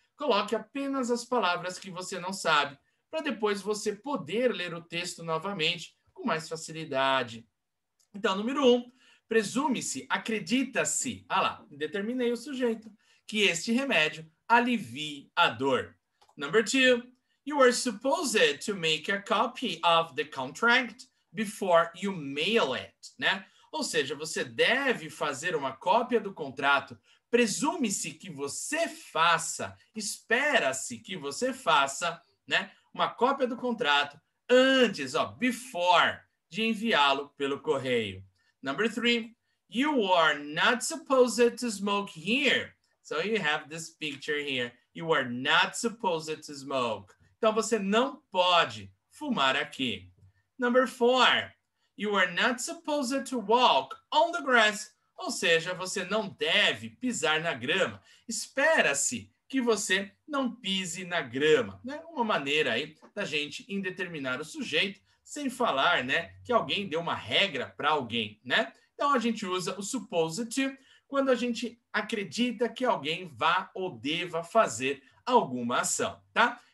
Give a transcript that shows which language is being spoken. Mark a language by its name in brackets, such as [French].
[Portuguese] Coloque apenas as palavras que você não sabe, para depois você poder ler o texto novamente com mais facilidade. Então, número 1, presume-se, acredita-se, ah lá, determinei o sujeito, que este remédio alivie a dor. [English] Number 2, you are supposed to make a copy of the contract before you mail it, né? [Portuguese] Ou seja, você deve fazer uma cópia do contrato, presume-se que você faça, espera-se que você faça, né? Uma cópia do contrato antes, ó, before, de enviá-lo pelo correio. [English] Number 3, you are not supposed to smoke here. So you have this picture here. You are not supposed to smoke. [Portuguese] Então você não pode fumar aqui. [English] Number 4, you are not supposed to walk on the grass. [Portuguese] Ou seja, você não deve pisar na grama. Espera-se que você não pise na grama. Né? Uma maneira aí da gente indeterminar o sujeito sem falar, né, que alguém deu uma regra para alguém. Né? Então, a gente usa o supposed to quando a gente acredita que alguém vá ou deva fazer alguma ação. Tá?